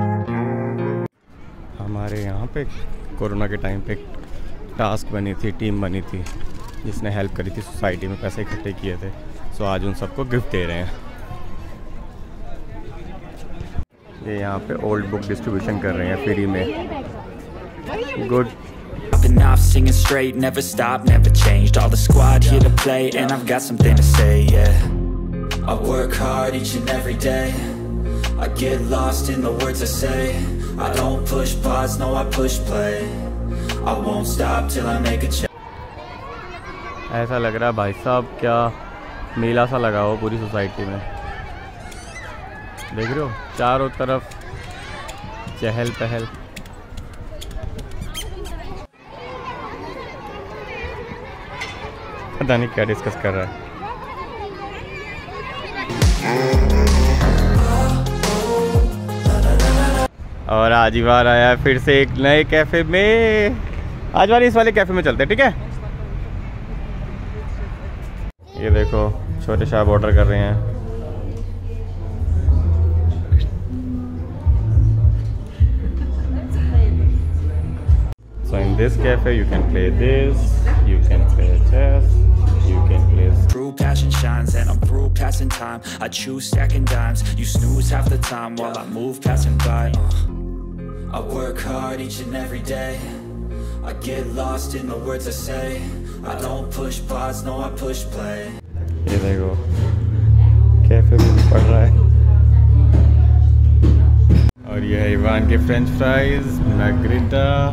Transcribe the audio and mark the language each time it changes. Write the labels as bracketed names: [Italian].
[Hindi] हमारे यहाँ पे कोरोना के टाइम पे टास्क बनी थी, टीम बनी थी, जिसने हेल्प करी थी सोसाइटी में, पैसे इकट्ठे किए थे। सो आज उन सबको गिफ्ट दे रहे हैं। ये यहाँ पे ओल्ड बुक डिस्ट्रीब्यूशन कर रहे हैं फ्री में। Good. [English] Been off singing straight, never stopped, never changed. All the squad here to play, and I've got something to say, yeah. I work hard each and every day. I get lost in the words I say. I don't push pause, no, I push play. I won't stop till I make a change. [Hindi] ऐसा लग रहा है भाई साहब क्या मेला सा लगा हो पूरी सोसाइटी में, देख रहे हो चारों तरफ चहल पहल। पता नहीं क्या डिस्कस कर रहा है। और आज ही बार आया फिर से एक नए कैफे में, आज बार इस वाले कैफे में चलते हैं, ठीक है। ये देखो छोटे शाह ऑर्डर कर रहे हैं, [English] So in this cafe you can play this, you can play chess, you can play True passion shines and I'm through passing time. I choose stacking dimes. You snooze half the time while I move passing by. I work hard each and every day. I get lost in the words I say. I don't push pause, no, I push play. [Hindi] ये देखो cafe में पड़ रहा है। और ये है Ivan के फ्रेंच फ्राइज मार्गरिटा।